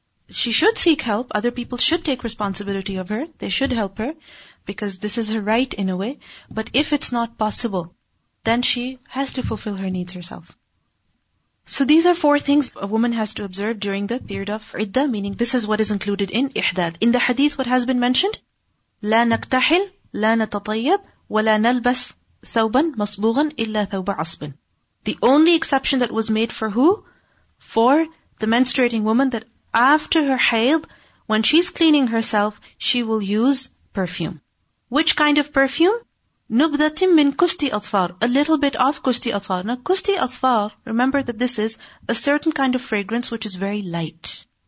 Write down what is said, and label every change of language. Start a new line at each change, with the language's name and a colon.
English: She should seek help. Other people should take responsibility of her. They should help her because this is her right in a way. But if it's not possible, then she has to fulfill her needs herself. So these are four things a woman has to observe during the period of iddah, meaning this is what is included in ihdad. In the hadith, what has been mentioned?
Arabic: لا نكتحل لا نتطيب ولا نلبس ثوبا مصبوغا إلا ثوب عصب.
English: The only exception that was made for who? For the menstruating woman, that after her hayd, when she's cleaning herself, she will use perfume. Which kind of perfume?
Arabic: نُبْذَةٍ مِّن كُسْتِ أَطْفَارٍ.
English: A little bit of
Arabic: كُسْتِ أَطْفَارٍ.
English: Now, كُسْتِ أَطْفَارٍ, remember that this is a certain kind of fragrance which is very light.